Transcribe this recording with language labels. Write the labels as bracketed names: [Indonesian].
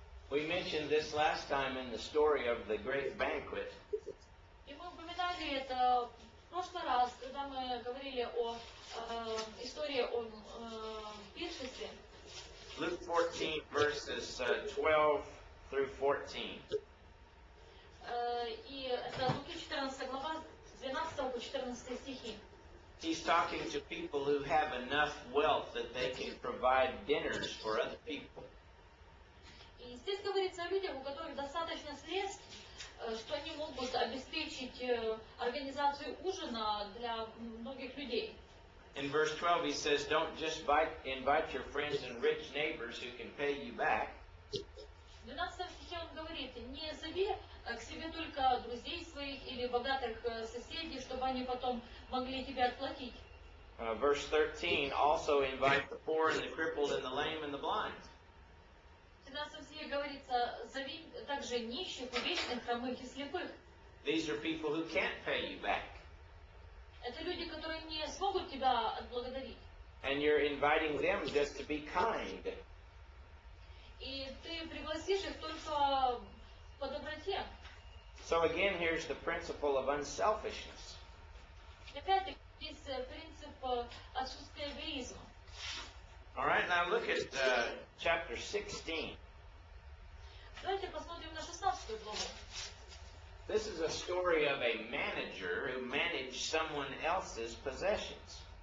[English] We mentioned this last time in the story of the great banquet. [Russian] И мы упоминали это в прошлый раз, когда мы говорили о истории о пиршестве. [English] Luke 14 verses 12 through 14. [Russian] И это Луки 14 глава, 12 по 14 стихи. [English] He's talking to people who have enough wealth that they can provide dinners for other people. [Russian] И здесь говорится о людях, у которых достаточно средств, что они могут обеспечить организацию ужина для многих людей. [English] In verse 12 he says, don't just invite your friends and rich neighbors who can pay you back. [Russian] В 12 стихе он говорит, не зови к себе только друзей своих или богатых соседей, чтобы они потом могли тебе отплатить. [English] Verse 13, also invite the poor and the crippled and the lame and the blind. [Russian] Говорится, зови также нищих, увечных, хромых и слепых. [English] These are people who can't pay you back. [Russian] Это люди, которые не смогут тебя отблагодарить. [English] And you're inviting them just to be kind. [Russian] И ты пригласишь их только по доброте. [English] So again, here's the principle of unselfishness. [Russian] Опять здесь принцип отсутствия эгоизма. [English] All right, now look at chapter 16. [Russian] Давайте посмотрим на 16 главу. [English] This is a story of a manager who managed someone else's possessions.